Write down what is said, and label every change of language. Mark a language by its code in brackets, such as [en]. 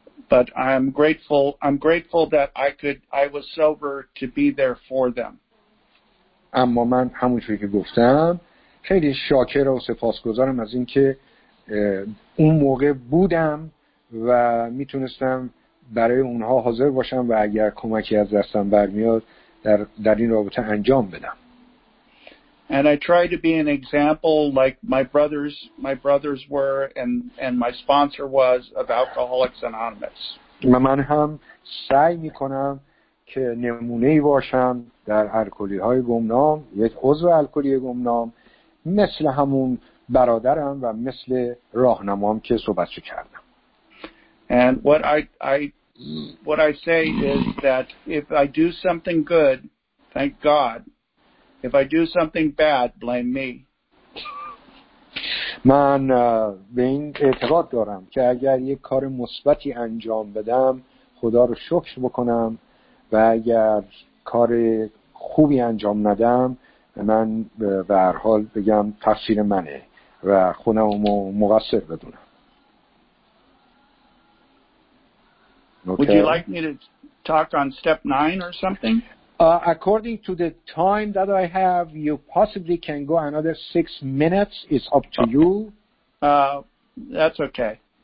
[en] But I'm grateful that I was sober to be there for them. [fa] اما من همونجوری که گفتم خیلی شاکر و سپاسگزارم از اینکه اون موقع بودم و میتونستم برای اونها حاضر باشم و اگر کمکی از دستم برمیاد در این رابطه انجام بدم. [en] And I try to be an example like my brothers were and my sponsor was of Alcoholics Anonymous. [fa] من هم سعی میکنم که نمونه ای باشم در الکلی های گمنام، یک عضو الکلی گمنام مثل همون برادرم و مثل راهنمام که صحبت کردم. [en] And what I say is that if I do something good, thank God. If I do something bad, blame me. [fa] من به این اعتقاد دارم که اگر یک کار مثبتی انجام بدم خدا رو شکر بکنم و اگر کار خوبی انجام ندم من به هر حال بگم تقصیر منه و خودمو مقصر بدونم. [en] Would you like me to talk on step 9 or something? According to the time that I have, you possibly can go another 6 minutes. It's up to you. That's okay.